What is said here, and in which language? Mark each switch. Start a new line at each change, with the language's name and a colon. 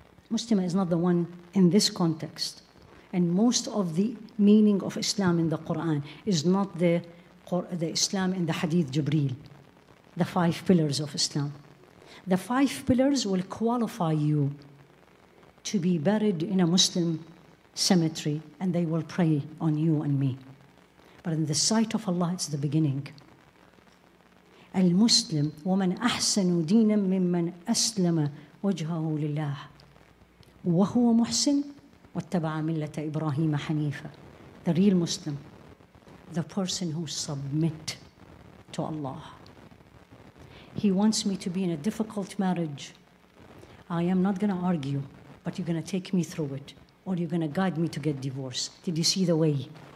English: Muslima is not the one in this context. And most of the meaning of Islam in the Quran is not the Islam in the Hadith Jibreel, the five pillars of Islam. The five pillars will qualify you to be buried in a Muslim cemetery and they will pray on you and me. But in the sight of Allah, it's the beginning.
Arabic: Al-Muslim, وَمَنْ أَحْسَنُ دِينًا مِمَّنْ أَسْلَمَ وَجْهَهُ لِلَّهِ وَهُوَ مُحْسِنٌ وَاتَّبَعَ مِلَّةَ إِبْرَاهِيمَ حَنِيفًا.
English: The real Muslim, the person who submit to Allah. He wants me to be in a difficult marriage. I am not going to argue, but you're going to take me through it, or you're going to guide me to get divorced. Did you see the way?